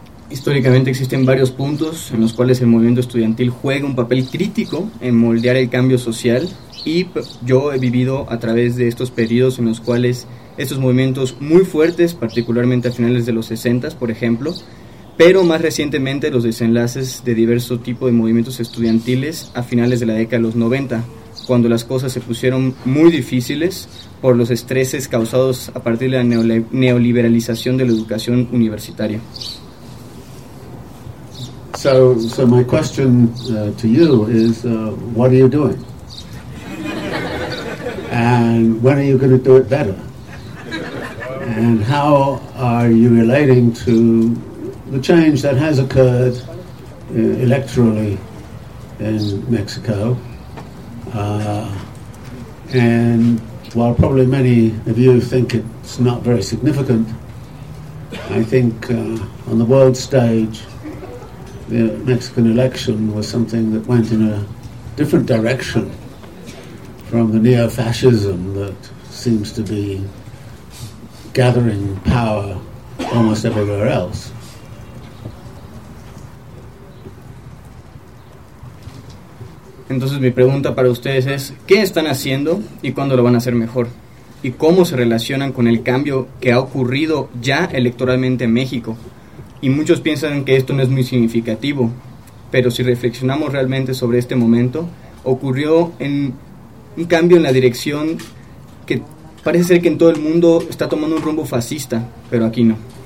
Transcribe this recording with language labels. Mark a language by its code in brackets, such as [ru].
[es] Históricamente existen varios puntos en los cuales el movimiento estudiantil juega un papel crítico en moldear el cambio social, y yo he vivido a través de estos periodos en los cuales estos movimientos muy fuertes, particularmente a finales de los 60, por ejemplo, pero más recientemente los desenlaces de diverso tipo de movimientos estudiantiles a finales de la década de los 90, cuando las cosas se pusieron muy difíciles por los estreses causados a partir de la neoliberalización de la educación universitaria. [en] So my question to you is, what are you doing? And when are you going to do it better? And how are you relating to the change that has occurred electorally in Mexico? And while probably many of you think it's not very significant, I think on the world stage, the Mexican election was something that went in a different direction from the neo-fascism that seems to be gathering power almost everywhere else. [es] Entonces mi pregunta para ustedes es, ¿qué están haciendo y cuándo lo van a hacer mejor? ¿Y cómo se relacionan con el cambio que ha ocurrido ya electoralmente en México? Y muchos piensan que esto no es muy significativo, pero si reflexionamos realmente sobre este momento, ocurrió en un cambio en la dirección que parece ser que en todo el mundo está tomando un rumbo fascista, pero aquí no.